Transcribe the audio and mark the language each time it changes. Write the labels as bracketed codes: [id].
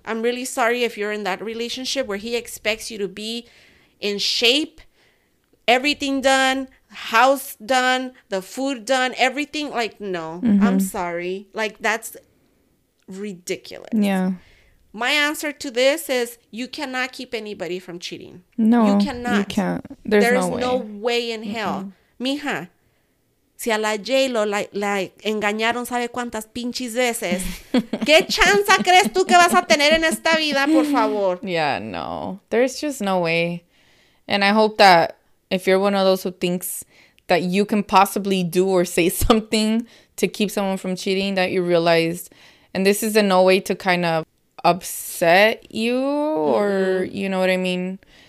[en] I'm really sorry if you're in that relationship where he expects you to be in shape, everything done. House done, the food done, everything. Like, no, mm-hmm. I'm sorry. Like, that's ridiculous. Yeah. My answer to this is you cannot keep anybody from cheating. No. You cannot. You can't. There's no way. No way in hell. [es] Mija, si a la J-Lo la engañaron sabe cuántas pinches veces, ¿qué chance crees tú que vas a tener en esta vida, por favor? [en] Yeah, no. There's just no way. And I hope that if you're one of those who thinks that you can possibly do or say something to keep someone from cheating, that you realize, and this is a no way to kind of upset you or, you know what I mean?